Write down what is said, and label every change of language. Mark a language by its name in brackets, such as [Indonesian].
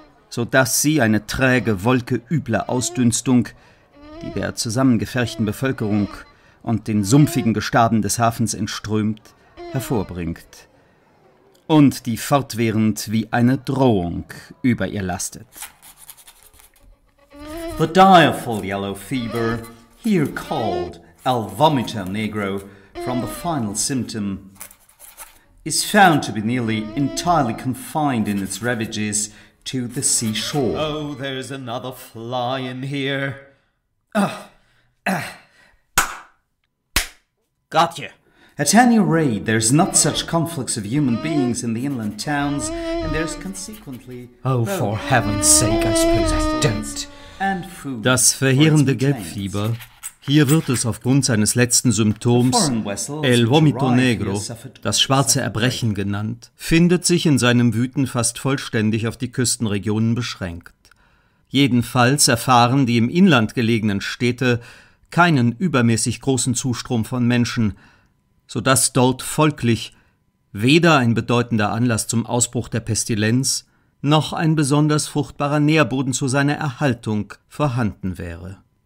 [German] sodass sie eine träge Wolke übler Ausdünstung, die der zusammengefärchten Bevölkerung und den sumpfigen Gestaden des Hafens entströmt, hervorbringt und die fortwährend wie eine Drohung über ihr lastet. [English] The direful yellow fever, here called El Vomito Negro, from the final symptom, is found to be nearly entirely confined in its ravages to the seashore. Oh, there's another fly in here. Got you. At any rate, there's not such conflicts of human beings in the inland towns, and there's consequently... Oh, for heaven's sake, I suppose I don't. And food. [German] Das verheerende Gelbfieber, hier wird es aufgrund seines letzten Symptoms, El Vomito Negro, das schwarze Erbrechen genannt, findet sich in seinem Wüten fast vollständig auf die Küstenregionen beschränkt. Jedenfalls erfahren die im Inland gelegenen Städte keinen übermäßig großen Zustrom von Menschen, sodass dort folglich weder ein bedeutender Anlass zum Ausbruch der Pestilenz noch ein besonders fruchtbarer Nährboden zu seiner Erhaltung vorhanden wäre.